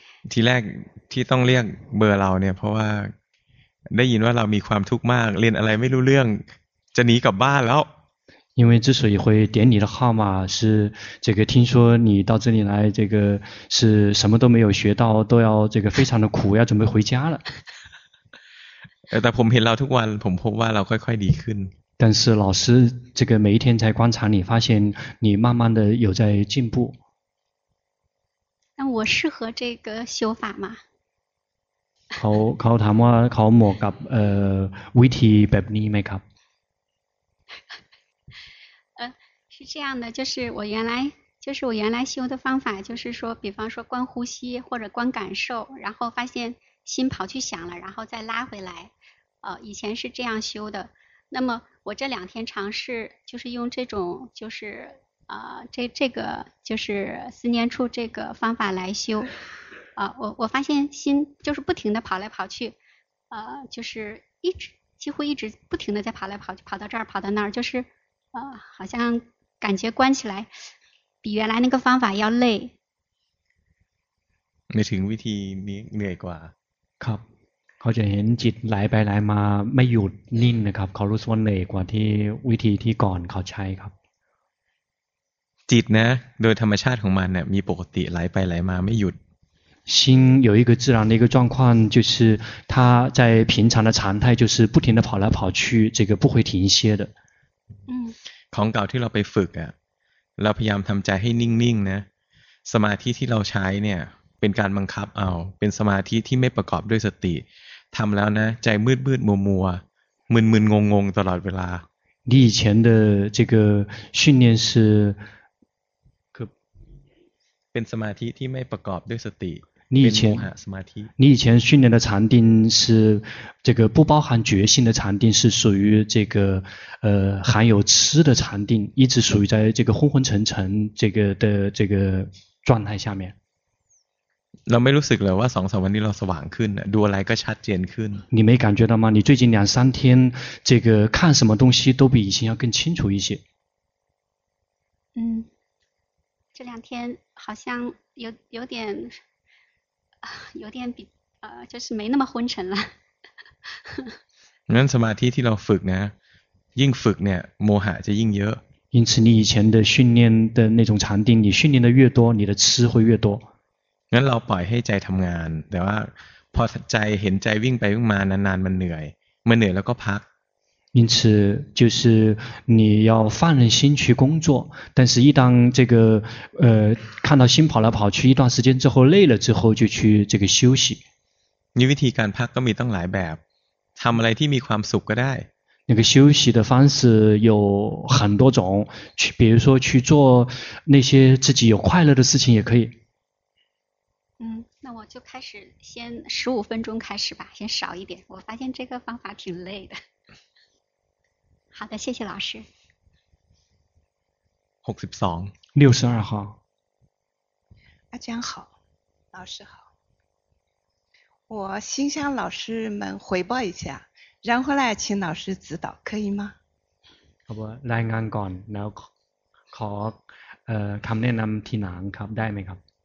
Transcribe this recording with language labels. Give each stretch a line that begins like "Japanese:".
Thai: ทีแรกที่ต้องเรียกเบอร์เราเนี่ยเพราะว่าได้ยินว่าเรามีความทุกข์มากเรียนอะไรไม่รู้เรื่องจะหนีกลับบ้านแล้ว
Chinese: 因为之所以会点你的号码是这个听说你到这里来这个是什么都没有学到都要这个非常的苦要准备回家了
Thai: 但ผมเห็นเราทุกวันผมพบว่าเราค่อยๆดีขึ้น
Chinese: 但是老师这个每一天在观察你发现你慢慢的有在进步那我适合这个修法吗
Thai: เขาถามว่าเขาเหมาะกับวิธีแบบนี้ไหมครับ
Chinese: 是这样的就是我原来修的方法就是说比方说观呼吸或者观感受然后发现心跑去想了然后再拉回来以前是这样修的那么我这两天尝试就是用这种就是这个就是思念处这个方法来修我发现心就是不停的跑来跑去就是一直几乎一直不停的在跑来跑去跑到这儿跑到那儿就是好像感觉关起来比原来那个方法要累
Thai: ไม่ถึงวิธีนี้เหนื่อยกว่า ครับเขาจะเห็นจิตไหลไปไหลมาไม่หยุดนิ่งนะครับเขารู้สึกว่าเหนื่อยกว่าที่วิธีที่ก่อนเขาใช้ครับ จิตนะโดยธรรมชาติของมันเนี่ยมีปกติไหลไปไหลมาไม่หยุด
Chinese: 心有一个自然的一个状况就是它在平常的常态就是不停的跑来跑去这个不会停歇的
Thai: ของเก่าที่เราไปฝึกอ่ะเราพยายามทำใจให้นิ่งๆ นะสมาธิที่เราใช้เนี่ยเป็นการบังคับเอาเป็นสมาธิที่ไม่ประกอบด้วยสติทำแล้วนะใจมืดๆมัวมึนๆงงๆตลอดเวลา
Chinese: 你以前的这个训练是
Thai: คือเป็นสมาธิที่ไม่ประกอบด้วยสติ
Chinese: 你以前
Thai: สมาธิ
Chinese: 你以前训练的禅定是这个不包含觉性的禅定是属于这个含有痴的禅定一直属于在这个昏昏沉沉这个的这个状态下面
Thai: เราไม่รู้สึกเลยว่า 2-3 วันนี้เราสว่างขึ้นดูอะไรก็ชัดเจนขึ้น
Chinese: 你没感觉到吗你最近两三天这个看什么东西都比以前要更清楚一些嗯这两天好像有点比就是没那么昏沉了
Thai: งั้นสมาธิที่เราฝึกนะยิ่งฝึกเนี่ยโมหะจะยิ่งเยอะ
Chinese: 因此你以前的训练的那种禅定你训练的越多你的痴会越多
Thai: งั้นเราปล่อยให้ใจทำงานแต่ว่าพอใจเห็นใจวิ่งไปวิ่งมานานๆมันเหนื่อยมันเหนื่อยแล้วก็พัก
Chinese: 因此就是你要放任心去工作但是一旦这个看到心跑来跑去一段时间之后累了之后就去这个休息
Thai: มีวิธีการพักก็มีตั้งหลายแบบทำอะไรที่มีความสุขก็ได้
Chinese: 那个休息的方式有很多种去比如说去做那些自己有快乐的事情也可以那我就开始先15分钟开始吧先少一点我发现这个方法挺累的好的谢谢老师 62号阿江好老师好我心向老师们回报一下然后来请老师指导可以吗好不来
Thai: งานก่อนแล้วขอคำแนะนำทีหลังครับได้ไหมครับ